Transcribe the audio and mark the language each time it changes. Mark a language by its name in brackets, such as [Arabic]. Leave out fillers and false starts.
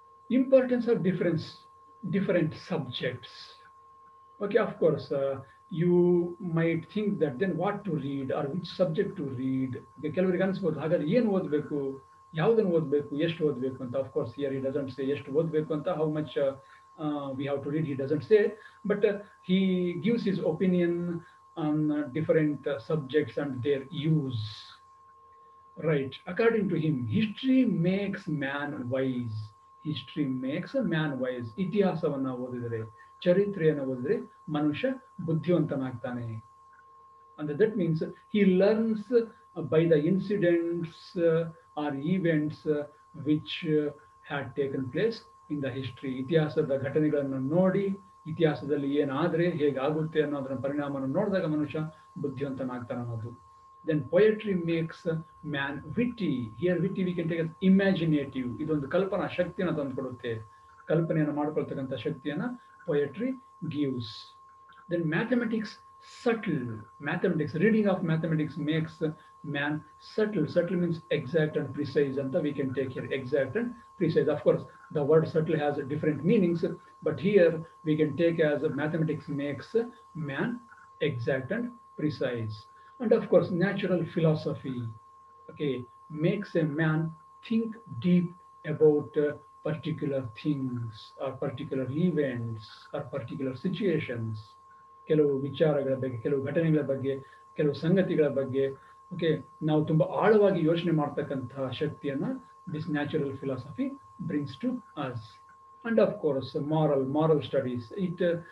[English] Importance of different subjects. Okay, of course, you might think that then what to read or which subject to read. [Kannada] Kelavari ganisabodu hagadre yenu odbeku, ಯಾವುದನ್ನು ಓದಬೇಕು, ಎಷ್ಟು ಓದಬೇಕು ಅಂತ. [English] of course here he doesn't say [Kannada] ಎಷ್ಟು ಓದಬೇಕು ಅಂತ, [English] How much we have to read he doesn't say, but he gives his opinion on different subjects and their use right according to him. History makes man wise. History makes man wise. [Kannada] ಇತಿಹಾಸವನ್ನು ಓದಿದರೆ, ಚರಿತ್ರೆಯನ್ನು ಓದಿದರೆ ಮನುಷ್ಯ ಬುದ್ಧಿವಂತನಾಗ್ತಾನೆ. [English] ಅಂದರೆ that means he learns by the incidents or events which had taken place in the history. [Kannada] ಇತಿಹಾಸದ ಘಟನೆಗಳನ್ನು ನೋಡಿ ಇತಿಹಾಸದಲ್ಲಿ ಏನಾದರೆ ಹೇಗಾಗುತ್ತೆ ಅನ್ನೋದ್ರ ಪರಿಣಾಮವನ್ನು ನೋಡಿದಾಗ ಮನುಷ್ಯ ಬುದ್ಧಿವಂತನಾಗ್ತಾನೆ ಅನ್ನೋದು. [English] Then poetry makes man witty. Here witty we can take imaginative. [Kannada] ಇದೊಂದು ಕಲ್ಪನಾ ಶಕ್ತಿಯನ್ನು ತಂದುಕೊಡುತ್ತೆ, ಕಲ್ಪನೆಯನ್ನು ಮಾಡಿಕೊಳ್ತಕ್ಕಂಥ ಶಕ್ತಿಯನ್ನು [English] Poetry gives. Then mathematics subtle. Mathematics, reading of mathematics makes man subtle. Subtle means exact and precise, and we can take here exact and precise. Of course the word subtle has different meanings, but here we can take as mathematics makes man exact and precise. And of course natural philosophy, okay, makes a man think deep about particular things or particular events or particular situations. [Kannada] Kelavu vicharagala bagge, kelavu ghatanegala bagge, kelavu sangatigala bagge, okay, ನಾವು ತುಂಬ ಆಳವಾಗಿ ಯೋಚನೆ ಮಾಡ್ತಕ್ಕಂತಹ ಶಕ್ತಿಯನ್ನು [English] This natural philosophy brings to us. And of course moral studies. It